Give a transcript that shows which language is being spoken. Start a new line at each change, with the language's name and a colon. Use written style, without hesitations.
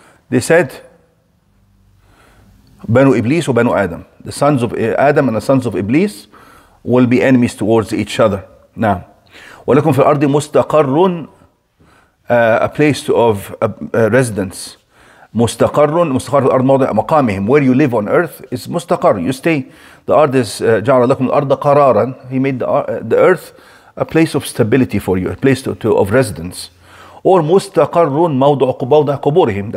English: They said
Arabic: بنو Iblis وبنو
English: Adam. The sons of Adam and the sons of Iblis will be enemies towards each other. Now,
Arabic: ولكم في الأرض مستقر,
English: a place of residence.
Arabic: مستقر مستقر الأرض موضع مقامهم.
English: Where you live on earth is مستقر, you stay. The earth is
Arabic: جعل لكم الأرض قرارا.
English: He made the earth a place of stability for you, a place to of residence.
Arabic: Or مستقر موضع قبورهم.